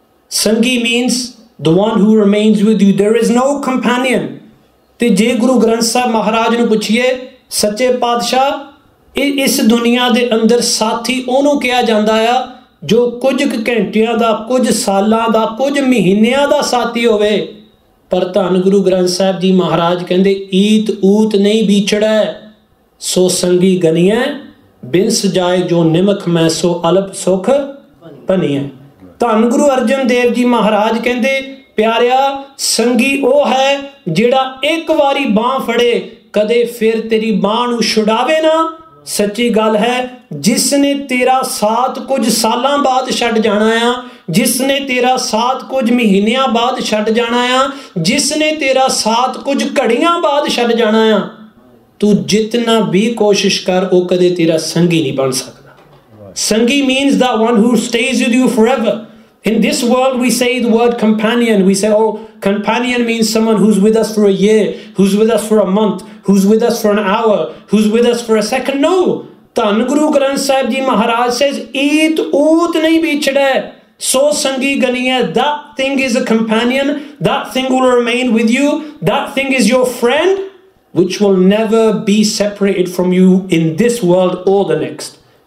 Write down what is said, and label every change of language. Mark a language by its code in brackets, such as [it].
[en] Sangi means the one who remains with you, there is no companion. [pa] ਅਤੇ ਜੇ ਗੁਰੂ ਗ੍ਰੰਥ ਸਾਹਿਬ ਮਹਾਰਾਜ ਨੂੰ ਪੁੱਛੀਏ ਸੱਚੇ ਪਾਤਸ਼ਾਹ ਇਹ ਇਸ ਦੁਨੀਆਂ ਦੇ ਅੰਦਰ ਸਾਥੀ ਉਹਨੂੰ ਕਿਹਾ ਜਾਂਦਾ ਆ ਜੋ ਕੁਝ ਕੁ ਘੰਟਿਆਂ ਦਾ, ਕੁਝ ਸਾਲਾਂ ਦਾ, ਕੁਝ ਮਹੀਨਿਆਂ ਦਾ ਸਾਥੀ ਹੋਵੇ। ਪਰ ਧੰਨ ਗੁਰੂ ਗ੍ਰੰਥ ਸਾਹਿਬ ਜੀ ਮਹਾਰਾਜ ਕਹਿੰਦੇ ਈਤ ਊਤ ਨਹੀਂ ਵਿਛੜੈ ਸੋ ਸੰਗੀ ਗਨੀਐ, ਬਿਨਸ ਜਾਏ ਜੋ ਨਿਮਖ ਮੈਂ ਸੋ ਅਲਪ ਸੁਖ ਬਣੀਐ। ਧੰਨ ਗੁਰੂ ਅਰਜਨ ਦੇਵ ਜੀ ਮਹਾਰਾਜ ਕਹਿੰਦੇ ਪਿਆਰਿਆ ਸੰਗੀ ਉਹ ਹੈ ਜਿਹੜਾ ਇੱਕ ਵਾਰੀ ਬਾਂਹ ਫੜੇ ਕਦੇ ਫਿਰ ਤੇਰੀ ਬਾਂਹ ਨੂੰ ਛੁਡਾਵੇ ਨਾ। ਸੱਚੀ ਗੱਲ ਹੈ ਜਿਸ ਨੇ ਤੇਰਾ ਸਾਥ ਕੁਝ ਸਾਲਾਂ ਬਾਅਦ ਛੱਡ ਜਾਣਾ ਆ, ਜਿਸ ਨੇ ਤੇਰਾ ਸਾਥ ਕੁਝ ਮਹੀਨਿਆਂ ਬਾਅਦ ਛੱਡ ਜਾਣਾ ਆ, ਜਿਸ ਨੇ ਤੇਰਾ ਸਾਥ ਕੁਝ ਘੜੀਆਂ ਬਾਅਦ ਛੱਡ ਜਾਣਾ ਆ, ਤੂੰ ਜਿਤਨਾ ਵੀ ਕੋਸ਼ਿਸ਼ ਕਰ ਉਹ ਕਦੇ ਤੇਰਾ ਸੰਗੀ ਨਹੀਂ ਬਣ ਸਕਦਾ। [en] ਸੰਗੀ means the one who stays with you forever. In this world, we say the word companion. We say, oh, companion means someone who's with us for a year, who's with us for a month, who's with us for an hour, who's with us for a second. No! Dhan Guru Granth Sahib Ji Maharaj says, [pa] eet oot nahi bichhdae. [en] So [pa] sangi ganiya, [en] that thing is a companion, that thing will remain with you, that thing is your friend, which will never be separated from you in this world or the next.